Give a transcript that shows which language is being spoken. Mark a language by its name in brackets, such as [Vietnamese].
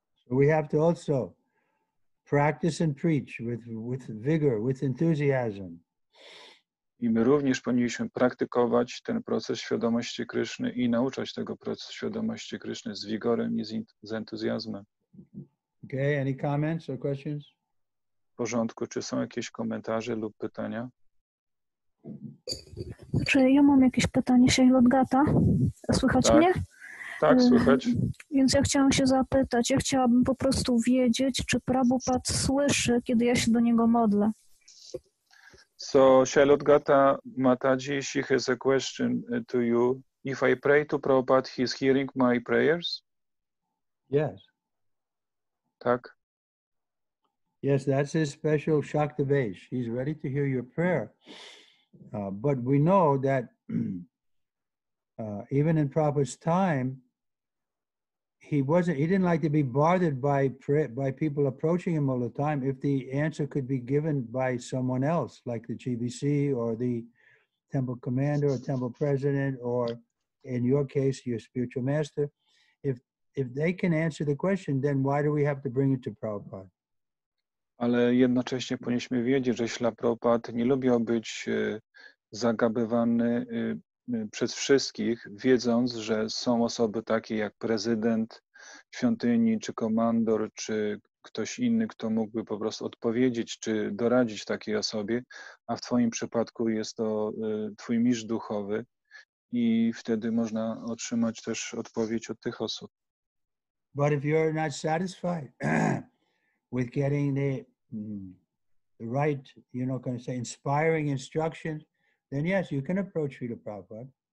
[English] We have to also practice and preach with vigor, with enthusiasm. [Polish] I my również powinniśmy praktykować ten proces świadomości Kryszny i nauczać tego procesu świadomości Kryszny z wigorem i z entuzjazmem. [English] Okay, any comments or questions? [Polish] W porządku, czy są jakieś komentarze lub pytania? Czy ja mam jakieś pytanie, Sheila Lodgata? Słychać tak. Mnie? Tak, słychać. Więc ja chciałam się zapytać, ja chciałabym po prostu wiedzieć, czy Prabhupad słyszy, kiedy ja się do niego modlę. [English] So, Sheila Lodgata Mataji, she has a question to you. If I pray to Prabhupad, he is hearing my prayers? Yes. [Polish] Tak? [English] Yes, that's his special Shakta Vesh. He's ready to hear your prayer. But we know that even in Prabhupada's time, he didn't like to be bothered by people approaching him all the time if the answer could be given by someone else, like the GBC or the temple commander or temple president, or in your case, your spiritual master. If they can answer the question, then why do we have to bring it to Prabhupada? [Polish] Ale jednocześnie powinniśmy wiedzieć, że Śrila Prabhupada nie lubił być zagabywany przez wszystkich, wiedząc, że są osoby takie jak prezydent świątyni, czy komandor, czy ktoś inny, kto mógłby po prostu odpowiedzieć, czy doradzić takiej osobie, a w twoim przypadku jest to twój mistrz duchowy i wtedy można otrzymać też odpowiedź od tych osób. [English] But if you're not satisfied with getting the right, you know, can I say, inspiring instructions, then yes, you can approach Śrīla Prabhupāda.